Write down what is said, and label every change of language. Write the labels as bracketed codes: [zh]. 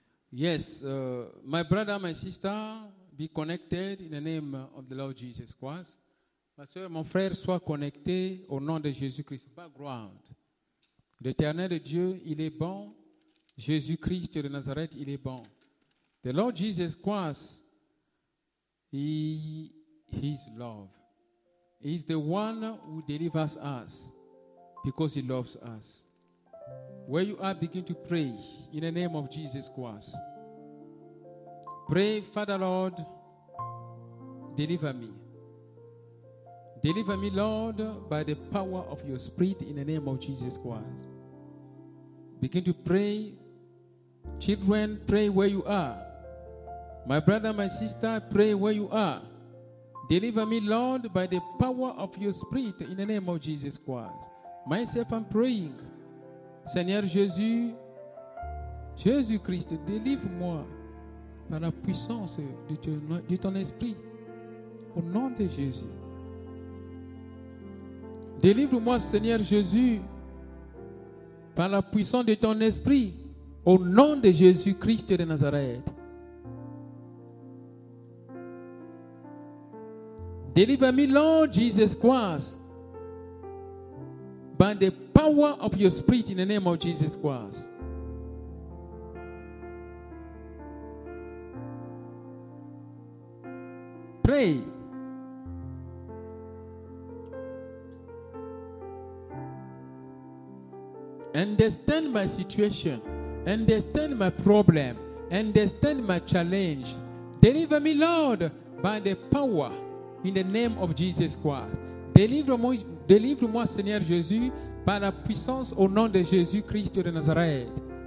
[en] Yes, my brother, my sister, be connected in the name of the Lord Jesus Christ. [fr] Ma soeur, mon frère, sois connecté au nom de Jésus-Christ. Background. L'éternel de Dieu, il est bon. Jésus-Christ de Nazareth, il est bon. [en] The Lord Jesus Christ, his love. He is the one who delivers us because he loves us. Where you are, begin to pray in the name of Jesus Christ. Pray, Father Lord, deliver me. Deliver me, Lord, by the power of your Spirit in the name of Jesus Christ. Begin to pray. Children, pray where you are. My brother, my sister, pray where you are. Deliver me, Lord, by the power of your Spirit in the name of Jesus Christ. Myself, I'm praying. [fr] Seigneur Jésus, Jésus-Christ, délivre-moi par la puissance de ton esprit, au nom de Jésus. Délivre-moi, Seigneur Jésus, par la puissance de ton esprit, au nom de Jésus-Christ de Nazareth. Délivre-moi, [en] Lord Jesus Christ, by the power of your Spirit in the name of Jesus Christ. Pray. Understand my situation. Understand my problem. Understand my challenge. Deliver me, Lord, by the power in the name of Jesus Christ. [fr] Délivre-moi, Seigneur Jésus, par la puissance au nom de Jésus-Christ de Nazareth.